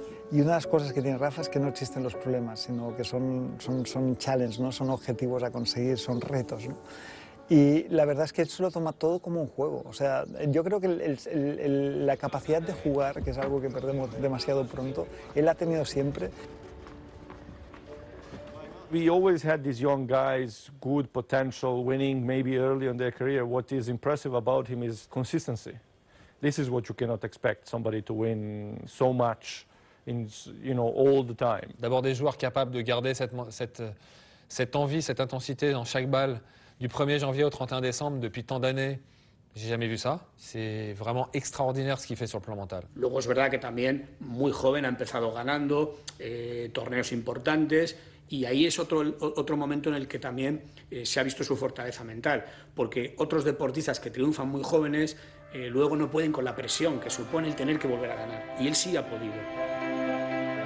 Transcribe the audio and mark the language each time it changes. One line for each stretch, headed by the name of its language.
Spanish: Y una de las cosas que tiene Rafa es que no existen los problemas, sino que son challenges, ¿no? Son objetivos a conseguir, son retos, ¿no? Y la verdad es que él se lo toma todo como un juego. O sea, yo creo que la capacidad de jugar, que es algo que perdemos demasiado pronto, él ha tenido siempre.
English: We always had these young guys, good potential, winning maybe early in their career. What is impressive about him is consistency. This is what you cannot expect somebody to win so much in, you know, all the time.
French: D'abord des joueurs capables de garder cette envie, cette intensité dans chaque balle. Du 1er janvier au 31 décembre, depuis tant d'années, j'ai jamais vu ça. C'est vraiment extraordinaire ce qu'il fait sur le plan mental.
Spanish: Luego es verdad que también muy joven ha empezado ganando torneos importantes y ahí es otro momento en el que también se ha visto su fortaleza mental, porque otros deportistas que triunfan muy jóvenes luego no pueden con la presión que supone el tener que volver a ganar y él sí ha podido.